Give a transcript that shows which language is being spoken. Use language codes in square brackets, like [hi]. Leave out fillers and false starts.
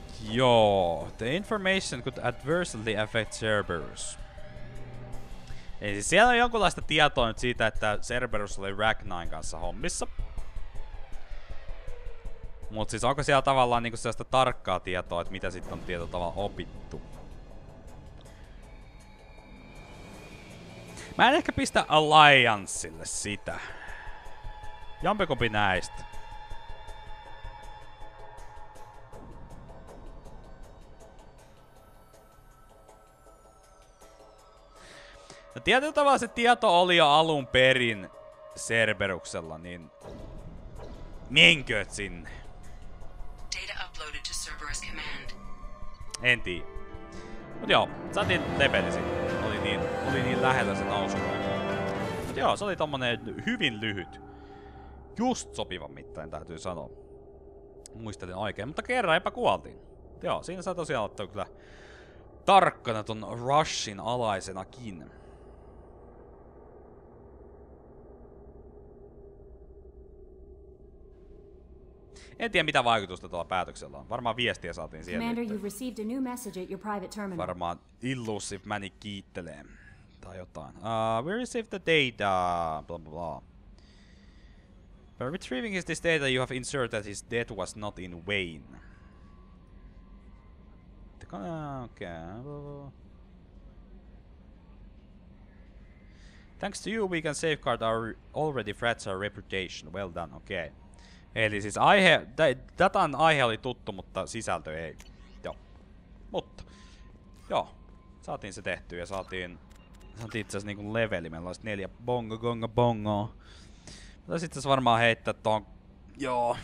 [en] Joo, the information could adversely affect Cerberus. [fi] Eli siellä on jonkunlaista tietoa nyt siitä, että Cerberus oli Ragnain kanssa hommissa. Mut siis onko siellä tavallaan niinku sellaista tarkkaa tietoa, että mitä sitten on tieto tavallaan opittu? Mä en ehkä pistä Allianceille sitä. Jompikumpi näistä. No tietyllä tavalla se tieto oli jo alun perin Cerberuksella, niin... Minkööt sinne? [en] Data uploaded to Cerberus command. [fi] En tii. Mut joo, saatiin lepelisi. Oli niin lähellä se nousu. Mut joo, se oli tommonen hyvin lyhyt. Just sopivan mittainen täytyy sanoa. Muistelin oikein, mutta kerran jopa kuoltiin. Mut joo, siinä saa tosiaan ottaa kyllä tarkkana ton Rushin alaisenakin. En tiedä, mitä vaikutusta tuolla päätöksellä on. Varmaan viestiä saatiin siihen. [en] Commander, you've received a new message at your private terminal. [fi] Varmaan Illusive Mani kiittelee. Tai jotain. [en] We received the data. Blah, blah, blah. By retrieving this data, you have inserted that his death was not in vain. Okay. Thanks to you, we can safeguard our already fragile reputation. Well done. Okay. [fi] Eli siis aihe, datan aihe oli tuttu, mutta sisältö ei. Joo. Mutta. Joo. Saatiin se tehtyä ja saatiin itse asiassa niinku leveli. Meillä olisi 4 bongo gonga bongo. Mutta sit tässä varmaan heittää tuon. Joo.